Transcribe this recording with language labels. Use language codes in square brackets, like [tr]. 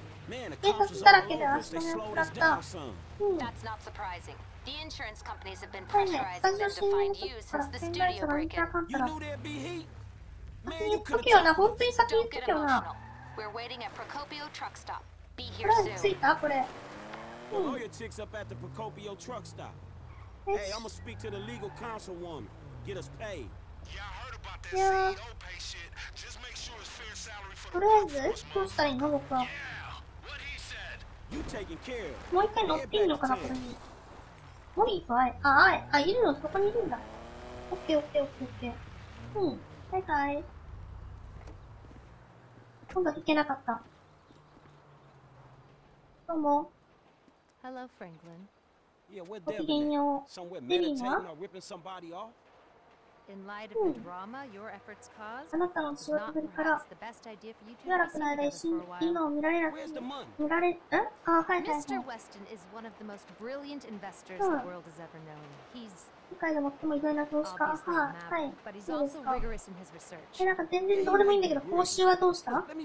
[ja] 警察だらけで足止めを食らった。うん。 [en] The insurance companies have been pressurized to find you since the studio break. You knew there'd be heat. Man, you could have told me. Don't get emotional. We're waiting at Procopio truck stop. Be here soon. The lawyer chicks up at the Procopio truck stop. Hey, I'm gonna speak to the legal counsel one. Get us paid. Yeah, I heard about that CEO pay shit. Just make sure it's fair salary for the workforce. Yeah, what he said. You taking care of. [ja] もう一回乗っていいのかな、これに。モリーと会え、あ、会え、あ、いるの、そこにいるんだ。オッケー、オッケー、オッケー、オッケー。うん、バイバイ。今度行けなかった。どうも。 [en] Hello, Franklin. [ja] Yeah, ごきげんよう。デビンは？うん。あなたの仕事ぶりから、しばらくの間、一瞬、今を見られなくて、見られ、え？あ、はいはいはい。Mr. [en] Weston is one of the most brilliant investors the world has ever known. [ja] He's 世界で最も偉大な投資家、はい、はい、そうですか。え、はい、なんか全然どうでもいいんだけど、報酬はどうした？うん。